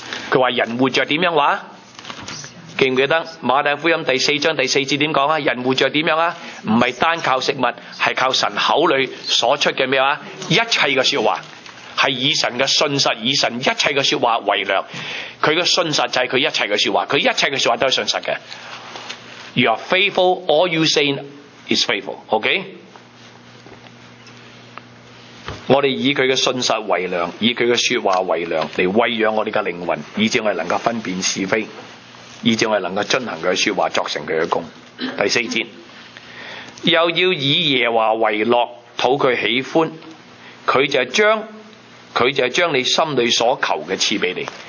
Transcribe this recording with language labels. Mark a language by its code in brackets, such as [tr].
[zh] 他说人活着怎样话，记不记得马太福音4:4怎样说？人活着怎样，不是单靠食物，是靠神口里所出的什么一切的说话，是以神的信实，以神一切的说话为粮。他的信实就是他一切的说话，他一切的说话都是信实的。 [en] You are faithful, all you say is faithful, OK? [zh] 我们以他的信实为粮，以他的说话为粮，来喂养我们的灵魂，以致我们能够分辨是非，以致我们能够遵行他的说话，作成他的功。第4节，又要以耶和华为乐，讨他喜欢，他就将你心里所求的赐给你。